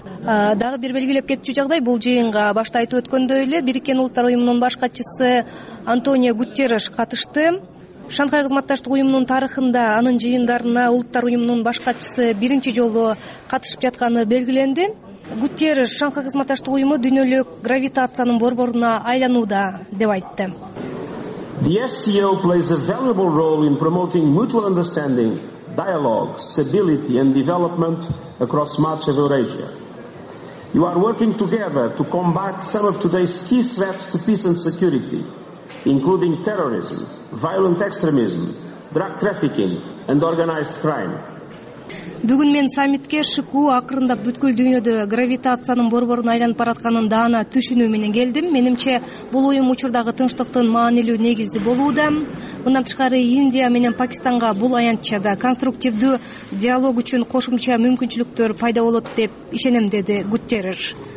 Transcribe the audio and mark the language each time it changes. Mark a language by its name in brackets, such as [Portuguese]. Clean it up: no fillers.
[Kyrgyz] Дагы бир белгилеп кетчү жагдай, бул жыйынга башта айтып өткөндөй эле Бириккен Улуттар Уюмунун баш катчысы Антонио Гутерреш катышты. Шанхай кызматташтык уюмунун тарыхында анын жыйындарына Улуттар Уюмунун баш катчысы биринчи жолу катышып жатканы белгиленди. Гутерреш Шанхай кызматташтык уюму дүйнөлүк гравитациянын борборуна айланууда деп айтты. [English] The SCO plays a valuable role in promoting mutual understanding, dialogue, stability and development across much of Eurasia. You are working together to combat some of today's key threats to peace and security, including terrorism, violent extremism, drug trafficking and organized crime. [Kyrgyz] Бүгүн мен саммитке шыкуу акырындап бүткүл дүйнөдө гравитациянын борборуна айланып бараткандын даана түшүнүү менен келдим. Менимче, бул уюм учурдагы тынчтыктын маанилүү негизи болууда. Мындан тышкары Индия менен Пакистанга бул аянтчада конструктивдүү диалог үчүн кошумча мүмкүнчүлүктөр пайда болот деп ишенем, деди Гутерреш.